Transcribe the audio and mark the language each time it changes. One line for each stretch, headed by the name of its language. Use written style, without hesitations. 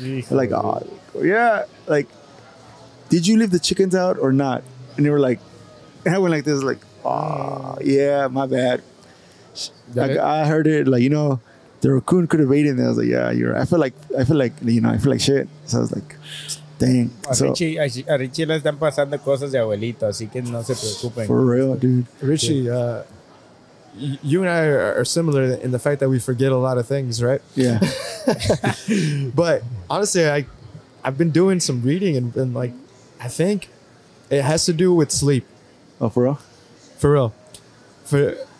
English: Like, oh, yeah. Like, did you leave the chickens out or not? And they were like, and I went like this, like, oh, yeah, my bad. I heard it, like, you know, the raccoon could have eaten it. I was like, yeah, you're right. I feel like shit. So I was like, dang.
Spanish: A Richie le están pasando cosas de abuelito, así que no se preocupen.
English: For real, dude. Richie, you and I are similar in the fact that we forget a lot of things, right? Yeah. But honestly, I've been doing some reading and like, I think it has to do with sleep. Oh, for real? For real.